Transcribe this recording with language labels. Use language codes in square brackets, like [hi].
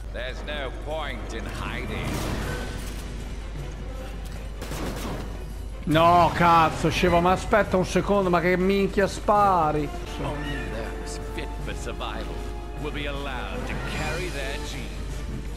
[en] There's no point in hiding. [it] No, cazzo, Sheva, ma aspetta un secondo, ma che minchia spari. [en] Only those fit for survival will be allowed to carry their genes.